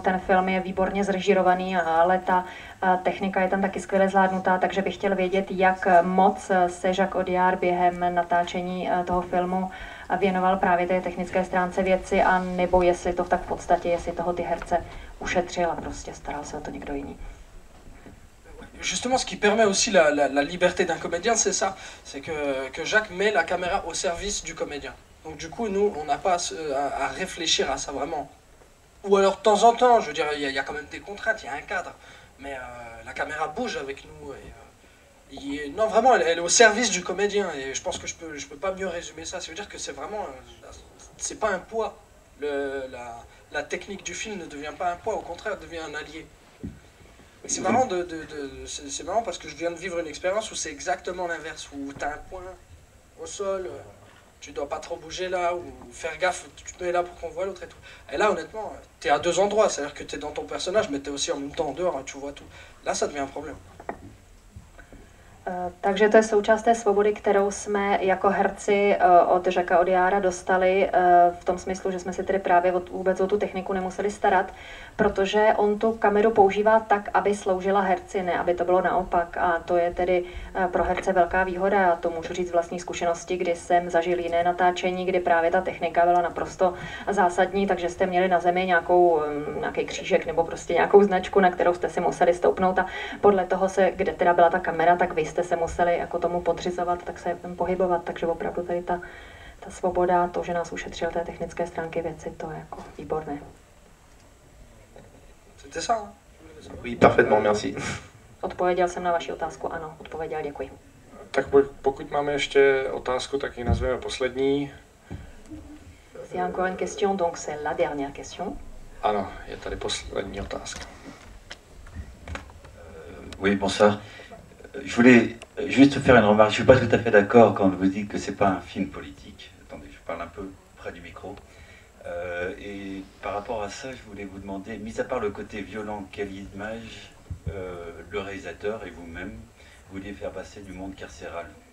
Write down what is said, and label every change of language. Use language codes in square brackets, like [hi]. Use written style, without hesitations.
[cs] Ten film je výborně zrežírovaný, ale ta technika je tam taky skvěle zvládnutá, takže bych chtěl vědět, jak moc se Jacques Audiard během natáčení toho filmu věnoval právě té technické stránce věci, a nebo jestli to tak v podstatě, jestli toho ty herce ušetřil a prostě staral se o to někdo jiný. [fr] Justement, ce qui permet aussi la liberté d'un comédien, c'est ça, c'est que Jacques met la caméra au service du comédien. Donc du coup, nous, on n'a pas à réfléchir à ça vraiment. Ou alors, de temps en temps, je veux dire, il y a quand même des contraintes, il y a un cadre. Mais la caméra bouge avec nous. Non, vraiment, elle est au service du comédien. Et je pense que je peux pas mieux résumer ça. Ça veut dire que c'est vraiment... C'est pas un poids. La technique du film ne devient pas un poids, au contraire, elle devient un allié. C'est marrant, c'est marrant parce que je viens de vivre une expérience où c'est exactement l'inverse, où tu as un point au sol, tu dois pas trop bouger là, ou faire gaffe, tu te mets là pour qu'on voit l'autre et tout. Et là, honnêtement, tu es à deux endroits, c'est-à-dire que tu es dans ton personnage, mais tu es aussi en même temps en dehors, tu vois tout. Là, ça devient un problème. [cs] Takže to je součást té svobody, kterou jsme jako herci od Žaka, od Jára dostali v tom smyslu, že jsme se tedy právě vůbec o tu techniku nemuseli starat, protože on tu kameru používá tak, aby sloužila herci, ne aby to bylo naopak. A to je tedy pro herce velká výhoda, a to můžu říct z vlastní zkušenosti, kdy jsem zažil jiné natáčení, kdy právě ta technika byla naprosto zásadní, takže jste měli na zemi nějaký křížek nebo prostě nějakou značku, na kterou jste si museli stoupnout, a podle toho se, kde teda byla ta kamera, tak vy jste se museli jako tomu podřizovat, tak se pohybovat, takže opravdu tady ta svoboda, to, že nás ušetřil té technické stránky věci, to je jako výborné. [fr] C'était ça? Oui, parfaitement, merci. [cs] Odpověděl jsem na vaši otázku, ano, odpověděl, děkuji. Tak pokud máme ještě otázku, tak ji nazveme poslední. [fr] Il y a encore une question, donc c'est la dernière question. [cs] Ano, je tady poslední otázka. [fr] Oui, bonsoir. Je voulais juste faire une remarque. Je ne suis pas tout à fait d'accord quand vous dites que ce n'est pas un film politique. Attendez, je parle un peu près du micro. Et par rapport à ça, je voulais vous demander, mis à part le côté violent qu'a l'image, le réalisateur et vous-même, vous vouliez faire passer du monde carcéral.